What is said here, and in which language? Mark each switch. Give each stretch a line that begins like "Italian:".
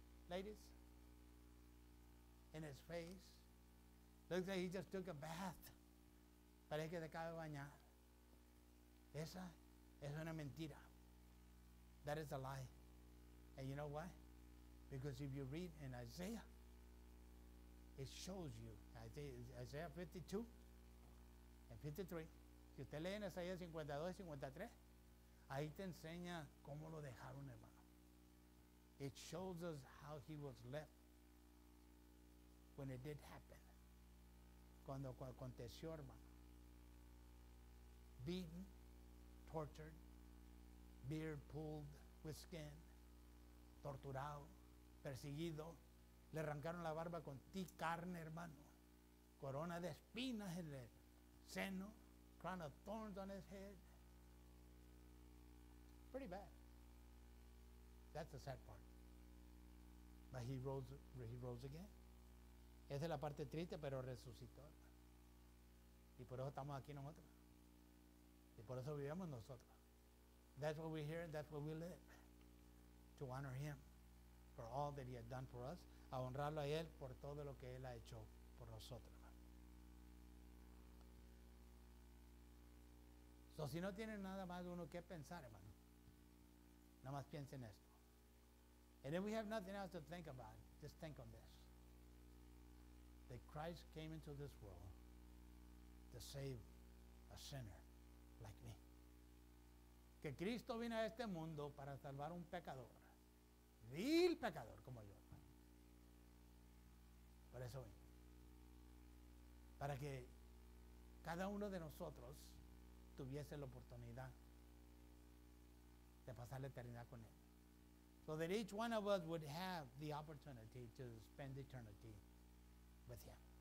English: Ladies. In his face. Looks like he just took a bath.
Spanish: Parece que se acaba de bañar. Esa es una mentira.
English: That is a lie. And you know why? Because if you read in Isaiah, it shows you. Isaiah 52 and 53.
Spanish: Si usted lee en Isaiah 52 y 53, ahí te enseña cómo lo dejaron, hermano.
English: It shows us how he was left. When it did happen.
Spanish: Cuando aconteció, hermano.
English: Beaten, tortured, beard pulled with skin,
Spanish: torturado, perseguido, le arrancaron la barba con ti carne, hermano. Corona de espinas en el seno,
English: crown of thorns on his head. Pretty bad. That's the sad part. But he rose again.
Spanish: Esa es la parte triste, pero resucitó. Y por eso estamos aquí nosotros. Y por eso vivimos nosotros.
English: That's what we hear and that's what we live. To honor him for all that he has done for us.
Spanish: A honrarlo a él por todo lo que él ha hecho por nosotros. So si no tienen nada más uno que pensar, hermano. Nada más piensen esto.
English: And if we have nothing else to think about, just think on this. that Christ came into this world to save a sinner like me.
Spanish: Que Cristo vino a este mundo para salvar un pecador, vil pecador como yo. Por eso vino. Para que cada uno de nosotros tuviese la oportunidad de pasar la eternidad con él.
English: So that each one of us would have the opportunity to spend eternity with him.